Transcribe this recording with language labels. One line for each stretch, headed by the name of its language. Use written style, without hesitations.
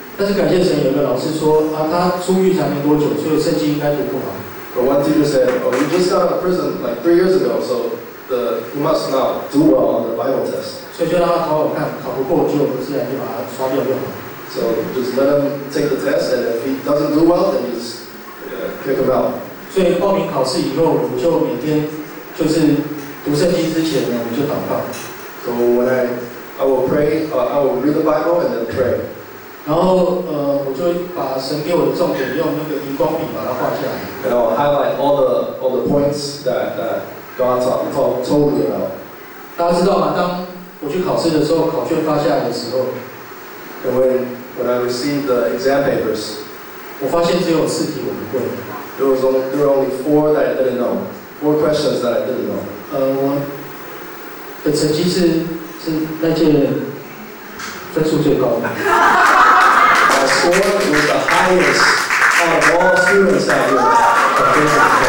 Chinese: 但是感谢神，有个老师说啊，他出狱才没多久，所以圣经应该读不好。
English: But one teacher said, "Oh, you just got out of prison like 3 years ago, so you must not do well on the Bible test."
Chinese: 所以就让他考考看，考不过就自然就把他刷掉就好。
English: So just let him take the test, and if he doesn't do well, then just kick him out.
Chinese: 所以报名考试以后，我就每天就是读圣经之前呢，我就祷告。
English: So when I will read the Bible and then pray.
Chinese: 然后我就把神给我的重点用那个荧光笔把它画下来。
English: And I'll highlight all the points that God told me about.
Chinese: 大家知道吗？当我去考试的时候，考卷发下来的时候
English: ，And when I received the exam papers,
Chinese: 我发现只有4题我不会。
English: There were only four that I didn't know. Four questions that I didn't know.
Chinese: 我的成绩是那届分数最高的。
English: My score was the highest out of all students that year.